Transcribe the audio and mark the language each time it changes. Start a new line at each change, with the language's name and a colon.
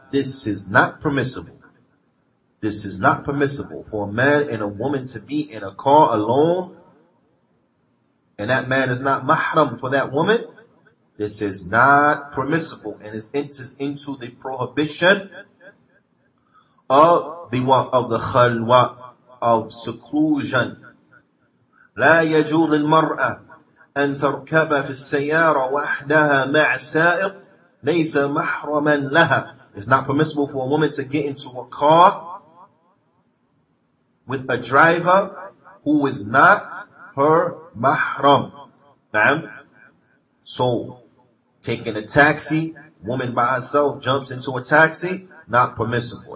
English: This is not permissible. This is not permissible for a man and a woman to be in a car alone, and that man is not mahram for that woman. This is not permissible, and it enters into the prohibition of the khalwa, of seclusion.
Arabic: لا يجوز المرأة أن تركب في السيارة وحدها مع سائق ليس محرما لها.
English: It's not permissible for a woman to get into a car with a driver who is not her mahram. So, taking a taxi, woman by herself jumps into a taxi, not permissible.